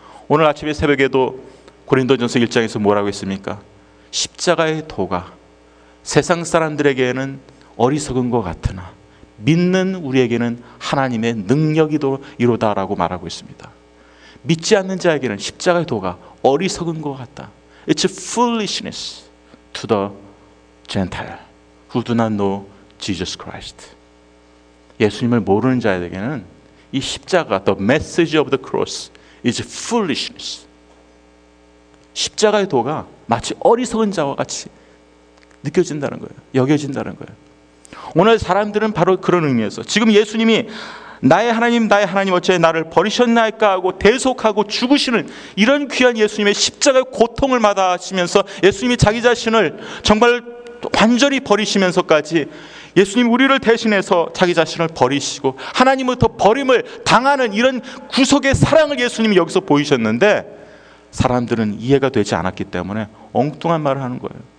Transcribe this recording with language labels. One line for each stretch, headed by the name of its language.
Korean: 오늘 아침에 새벽에도 고린도전서 1장에서 뭐라고 했습니까? 십자가의 도가 세상 사람들에게는 어리석은 것 같으나 믿는 우리에게는 하나님의 능력이로다라고 말하고 있습니다. 믿지 않는 자에게는 십자가의 도가 어리석은 것 같다.
English: It's a foolishness to the Gentile who do not know Jesus Christ.
Korean: 예수님을 모르는 자에게는 이 십자가,
English: the message of the cross is foolishness.
Korean: 십자가의 도가 마치 어리석은 자와 같이 느껴진다는 거예요. 여겨진다는 거예요. 오늘 사람들은 바로 그런 의미에서 지금 예수님이 나의 하나님 나의 하나님 어째 나를 버리셨나이까 하고 대속하고 죽으시는 이런 귀한 예수님의 십자가의 고통을 마다하시면서 예수님이 자기 자신을 정말 완전히 버리시면서까지 예수님 우리를 대신해서 자기 자신을 버리시고 하나님부터 버림을 당하는 이런 구속의 사랑을 예수님이 여기서 보이셨는데 사람들은 이해가 되지 않았기 때문에 엉뚱한 말을 하는 거예요.